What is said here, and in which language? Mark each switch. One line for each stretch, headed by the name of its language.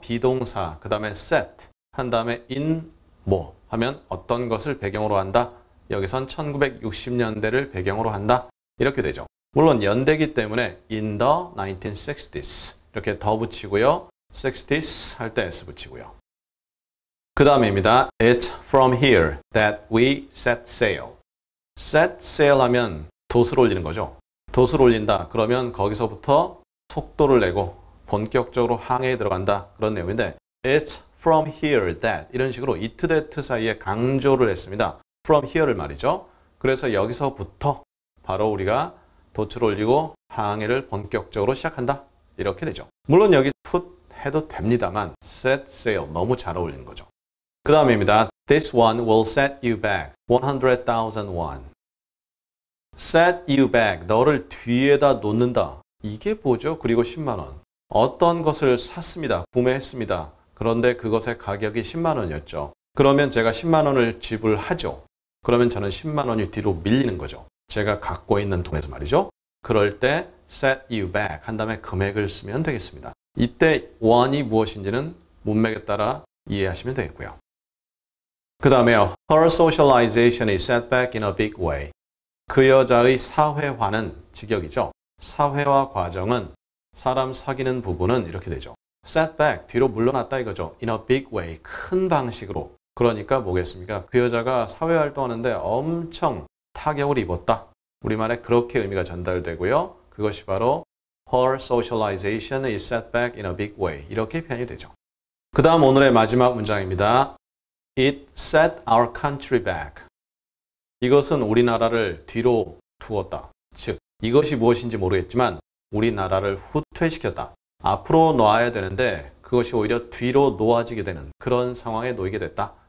Korean: 비동사, 그 다음에 set, 한 다음에 in, 뭐 하면 어떤 것을 배경으로 한다. 여기선 1960년대를 배경으로 한다. 이렇게 되죠. 물론 연대기 때문에
English: in the 1960s
Korean: 이렇게 더 붙이고요. 60s 할 때 S 붙이고요. 그 다음입니다.
English: It's from here that we set sail.
Korean: Set sail 하면 돛을 올리는 거죠. 돛을 올린다. 그러면 거기서부터 속도를 내고 본격적으로 항해에 들어간다. 그런 내용인데
English: It's from here that
Korean: 이런 식으로 it, that 사이에 강조를 했습니다. From here를 말이죠. 그래서 여기서부터 바로 우리가 돛을 올리고 항해를 본격적으로 시작한다. 이렇게 되죠. 물론 여기 put 해도 됩니다만 set sail 너무 잘 어울리는 거죠. 그 다음입니다.
English: This one will set you back 100,000 won.
Korean: Set you back, 너를 뒤에다 놓는다. 이게 뭐죠? 그리고 10만원. 어떤 것을 샀습니다. 구매했습니다. 그런데 그것의 가격이 10만원이었죠. 그러면 제가 10만원을 지불하죠. 그러면 저는 10만원이 뒤로 밀리는 거죠. 제가 갖고 있는 돈에서 말이죠. 그럴 때 set you back 한 다음에 금액을 쓰면 되겠습니다. 이때 원이 무엇인지는 문맥에 따라 이해하시면 되겠고요. 그 다음에요.
English: Her socialization is set back in a big way.
Korean: 그 여자의 사회화는 직역이죠. 사회화 과정은 사람 사귀는 부분은 이렇게 되죠. set back, 뒤로 물러났다 이거죠. in a big way, 큰 방식으로. 그러니까 뭐겠습니까? 그 여자가 사회활동하는데 엄청 타격을 입었다. 우리말에 그렇게 의미가 전달되고요. 그것이 바로
English: her socialization is set back in a big way.
Korean: 이렇게 표현이 되죠. 그 다음 오늘의 마지막 문장입니다.
English: It set our country back.
Korean: 이것은 우리나라를 뒤로 두었다. 즉, 이것이 무엇인지 모르겠지만 우리나라를 후퇴시켰다. 앞으로 놓아야 되는데 그것이 오히려 뒤로 놓아지게 되는 그런 상황에 놓이게 됐다.